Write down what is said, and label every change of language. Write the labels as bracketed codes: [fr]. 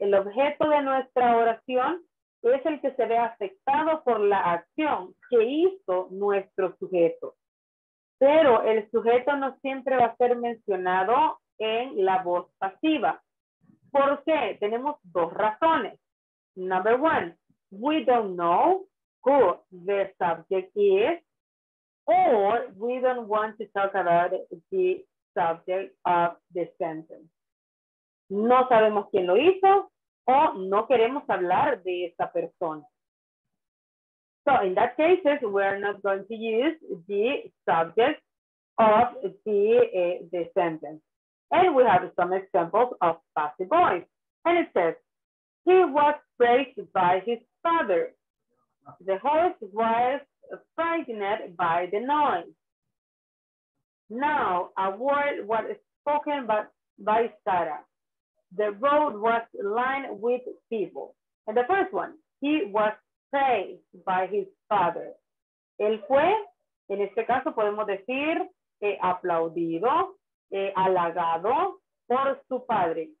[es] El objeto de nuestra oración es el que se ve afectado por la acción que hizo nuestro sujeto. Pero el sujeto no siempre va a ser mencionado en la voz pasiva. ¿Por qué? Tenemos dos razones. [en] Number one, we don't know who the subject is, or we don't want to talk about the subject of the sentence. [es] No sabemos quién lo hizo, o no queremos hablar de esa persona. [en] So in that cases, we're not going to use the subject of the sentence. And we have some examples of passive voice. And it says, he was praised by his father. The horse was frightened by the noise. Now, a word was spoken by Sarah. The road was lined with people. And the first one, he was praised by his father. [es] Él fue, en este caso podemos decir, aplaudido, halagado por su padre.